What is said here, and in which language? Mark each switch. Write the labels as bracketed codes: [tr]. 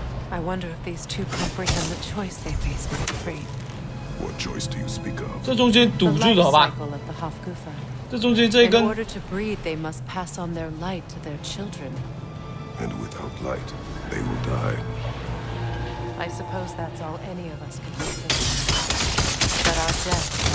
[en] I wonder if these two comprehend the choice they face with freedom. What choice do you speak of? [zh] 这中间堵住的好吧？这中间这一根。 [en] In order to breed, they must pass on their light to their children. And without light, they will die. I suppose that's all any of us can do. That our death.